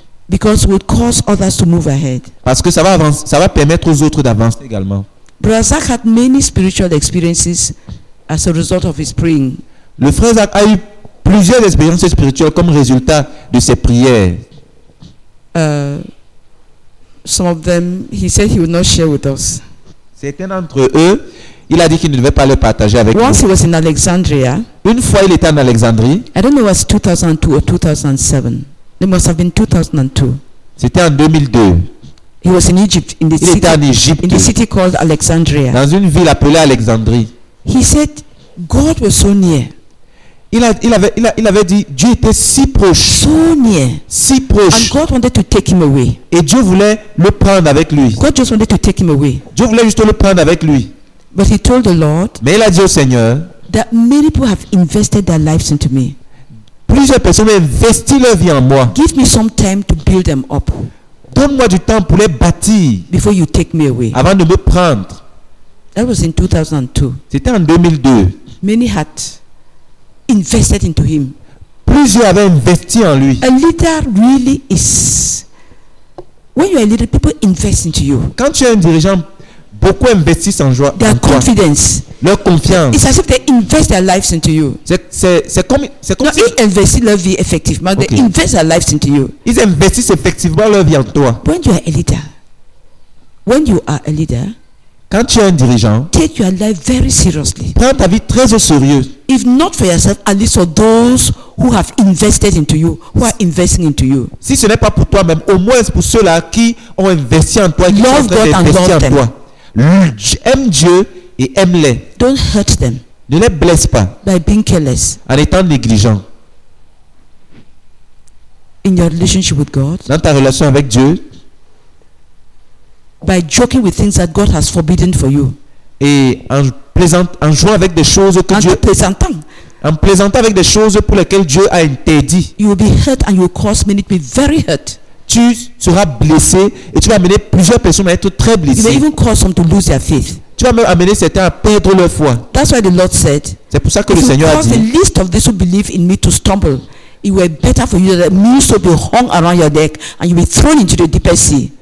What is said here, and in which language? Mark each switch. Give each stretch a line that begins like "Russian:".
English: Because it will cause others to move ahead.
French: Parce que ça va avancer, ça va permettre aux autres d'avancer également.
English: Brother Zach had many spiritual experiences as a result of his praying.
French: Le frère Zach a eu plusieurs expériences spirituelles comme résultat de ses prières.
English: Some of them, he said he would not share with us.
French: Certains d'entre eux, il a dit qu'il ne devait pas le partager avec
English: nous. Once he was in Alexandria.
French: Une fois, il était en Alexandrie.
English: I don't know if it was 2002 or 2007. It must have been 2002.
French: C'était en 2002.
English: He was in Egypt, in the
French: il
English: city,
French: était en Égypte.
English: In the city called Alexandria.
French: Dans une ville appelée Alexandrie.
English: He said, God was so near.
French: Il avait dit Dieu était si proche.
English: So near.
French: Si proche.
English: And God wanted to take him away.
French: Et Dieu voulait le prendre avec lui.
English: God just wanted to take him away.
French: Dieu voulait juste le prendre avec lui.
English: But he told the Lord.
French: Mais il a dit au Seigneur.
English: That many people have invested their lives into me.
French: Plusieurs personnes ont investi leur vie en moi.
English: Give me some time to build them up.
French: Donne-moi du temps pour les bâtir.
English: Before you take me away.
French: Avant de me prendre.
English: That was in 2002.
French: C'était en 2002.
English: Many had invested into him.
French: Plusieurs avaient investi en lui.
English: A leader really is when you are a leader, people invest into you.
French: Quand tu es un dirigeant, beaucoup investissent en toi.
English: Their confidence.
French: Leur confiance.
English: It's as if they invest their lives into you.
French: C'est comme no, si ils investissent leur vie effectivement. Okay.
English: They invest their lives into you.
French: Ils investissent effectivement leur vie en toi.
English: When you are a leader, when you are a leader.
French: Quand tu es un dirigeant,
English: take your life very seriously.
French: Prends ta vie très au sérieux.
English: If not for yourself, at least for those who have invested into you, who are investing into you.
French: Si ce n'est pas pour toi-même, au moins pour ceux-là qui ont investi en toi, qui
English: love
French: sont en train d'investir en toi. Aime Dieu et aime-les.
English: Don't hurt them.
French: Ne les blesse pas.
English: By being careless.
French: En étant négligent.
English: In your relationship with God.
French: Dans ta relation avec Dieu.
English: By joking with things that God has forbidden for you.
French: Et en jouant avec des choses que en Dieu plaisantant. En plaisantant avec des choses pour lesquelles Dieu a interdit.
English: You will be hurt and you will cause many to be very hurt.
French: Tu seras blessé et tu vas amener plusieurs personnes à être très blessées.
English: You may even cause some to lose their faith.
French: Tu vas même amener certains à perdre leur foi.
English: That's why the Lord said.
French: C'est pour ça que le Seigneur a dit.
English: If you cause the least of those who believe in me to stumble, it were better for you that a millstone be hung around your neck and you be thrown into the deepest sea.